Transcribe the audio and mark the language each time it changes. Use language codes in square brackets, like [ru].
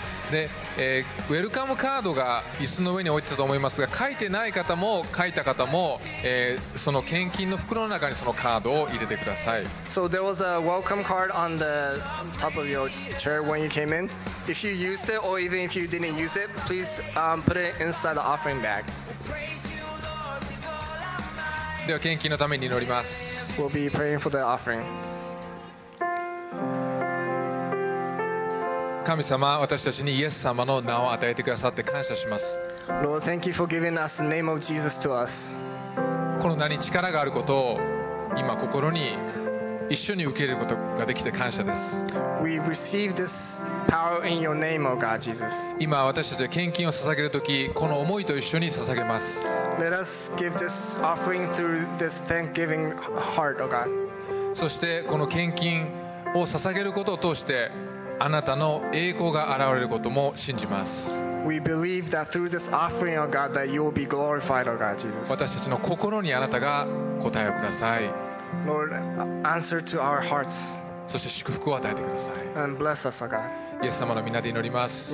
[ja] で、ウェルカムカードが椅子の上に置いてたと思いますが、書いてない方も書いた方も、その献金の袋の中にそのカードを入れてください。 [en] So there was a welcome card on the top of your chair when you came in. If you used it or even if you didn't use it, please put it inside the offering bag. [ja] では献金のために祈ります。 [en] We'll be praying for the offering. [ja] 神様、私たちにイエス様の名を与えてくださって感謝します。 [en] Lord, thank you for giving us the name of Jesus to us. [ja] この名に力があることを今心に一緒に受け入れることができて感謝です。 [en] We receive this power in your name, O God Jesus. [ja] 今私たちは献金を捧げるとき、この思いと一緒に捧げます。 [en] Let us give this offering through this thanksgiving heart, O God. [ja] そしてこの献金を捧げることを通してあなたの栄光が現れることも信じます。 [en] We believe that through this offering, O God, that you will be glorified, O God, Jesus. [ja] 私たちの心にあなたが答えをください。 [en] Lord, answer to our hearts. [ja] そして祝福を与えてください。 [en] And bless us, O God. [ja] イエス様の皆で祈ります。